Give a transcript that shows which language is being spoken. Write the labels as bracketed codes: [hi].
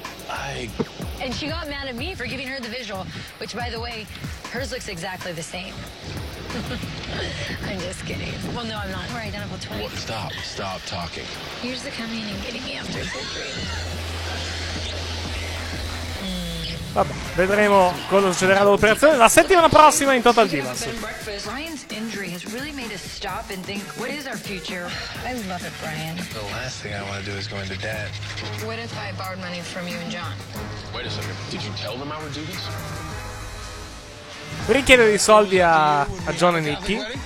[en] I... And she got mad at me for giving her the visual, which, by the way, hers looks exactly the same. I'm just kidding. Well, no, I'm not. We're identical twins. What? Stop. Stop talking. You're just coming in and getting me after surgery. [it] Vabbè, vedremo cosa succederà dall'operazione la settimana prossima in Total Divas. [en] Brian's injury has really made us stop and think, what is our future? I love it, Brian. The last thing I want to do is go into debt. What if I borrowed money from you and John? Wait a second, did you tell them I would do this? [it] Richiede dei soldi a, a John e Nicky.